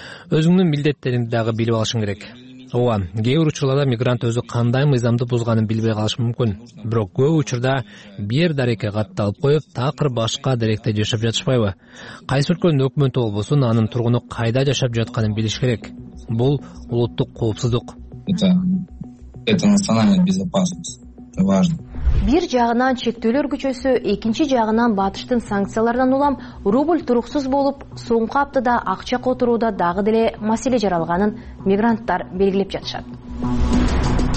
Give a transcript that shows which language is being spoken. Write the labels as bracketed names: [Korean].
[Kyrgyz] Өзүңдүн милдеттериңди дагы билип алышың керек. Ооба, кээ бир учурларда мигрант өзү кандай мыйзамды бузганын билбей калышы мүмкүн. Бирок көп учурда бир дарекке катталып коюп, такыр башка даректе жашап жатышпайбы? Кайсы өлкөнүн өкмөтү болбосун, анын тургуну кайда жашап жатканын билиш керек. Бул улуттук коопсуздук. [Russian] Это национальная безопасность. Это важно. [Kyrgyz] Бир жагынан чектөөлөр күчөсү, экинчи жагынан батыштын санкцияларынан улам рубль туруксуз болуп, соңку аптада акча которууда дагы деле маселе жаралганын мигранттар белгилеп жатышат.